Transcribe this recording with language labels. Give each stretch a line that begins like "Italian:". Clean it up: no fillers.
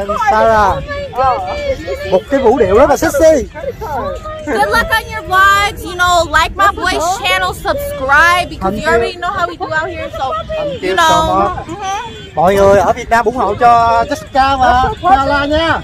Vietnamese: Tara. Một cái vũ điệu rất là sexy.
English: Good luck on your vlogs, you know, like my boy's channel, subscribe, because you already know how we do out here, so, you know.
Vietnamese: Mọi người ở Việt Nam ủng hộ cho Jessica và Kiala nha.